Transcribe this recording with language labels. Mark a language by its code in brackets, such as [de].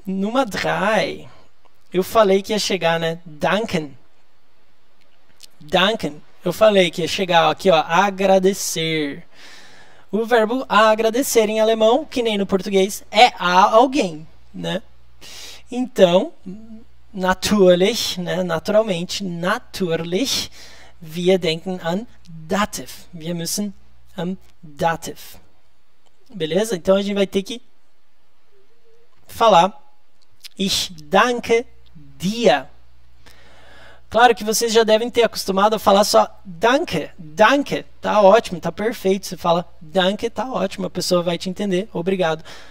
[pt] Numa drei. Eu falei que ia chegar, né? Danken. Eu falei que ia chegar aqui, ó. Agradecer. O verbo agradecer em alemão, que nem no português, é a alguém, né? Então, natürlich, né? [de] Naturalmente, natürlich, wir denken an Dativ. Wir müssen am Dativ. Beleza? [pt] Então a gente vai ter que falar [de] ich danke dir. [pt] Claro que vocês já devem ter acostumado a falar só danke. Danke, tá ótimo, tá perfeito. Você fala danke, tá ótimo, a pessoa vai te entender, obrigado.